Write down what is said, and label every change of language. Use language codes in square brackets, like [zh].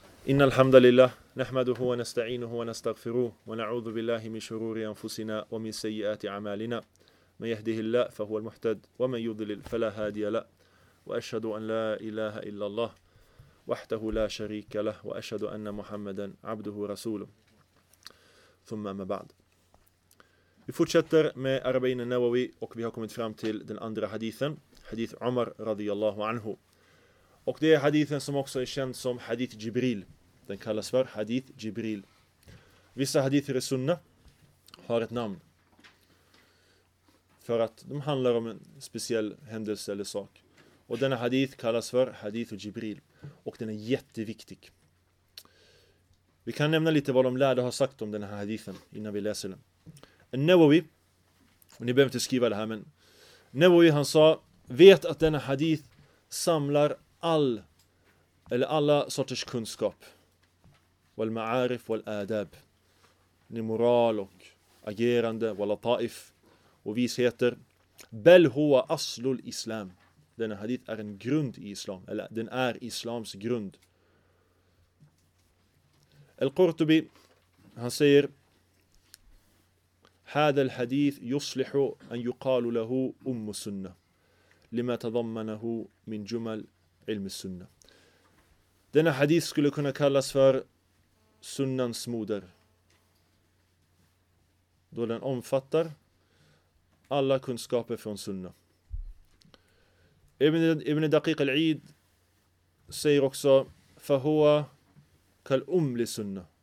[ar] إن الحمد لله نحمده ونستعينه ونستغفره ونعوذ بالله من شرور أنفسنا ومن سيئات أعمالنا من يهده الله فهو المهتد ومن يضلل فلا هادي له وأشهد أن لا إله إلا الله وحده لا شريك له وأشهد أن محمدا عبده ورسوله ثم ما بعد. [sv] Vi fortsätter med Arba'in al-Nawawi och vi har kommit fram till den andra hadithen, hadith Umar radiyallahu anhu. Och det är hadithen som också är känd som hadith Jibril. Den kallas för hadith Jibril. Vissa hadither i sunna har ett namn för att de handlar om en speciell händelse eller sak. Och denna hadith kallas för hadith Jibril. Och den är jätteviktig. Vi kan nämna lite vad de lärde har sagt om den här hadithen innan vi läser den. An-Nawawi, och ni behöver inte skriva det här, men Nawawi han sa, vet att denna hadith samlar all eller alla sorters kunskap. [ar] Wal ma'arif wal adab. [sv] Ni moral och agerande, [ar] wal ta'if [sv] och visheter. [ar] Bel huwa aslul islam. [sv] Denna hadith är en grund i islam, eller den är islams grund. [ar] Al-Qurtubi, [sv] han säger, [ar] هذا الحديث يصلح أن يقال له أم السنة لما تضمنه من جمل علم السنة. [sv] Denna hadith skulle kunna kallas för sunnans moder. Då den omfattar alla kunskaper från sunna. Ibn Daqiq al-Eid säger också [ar] فهو كالأم للسنة.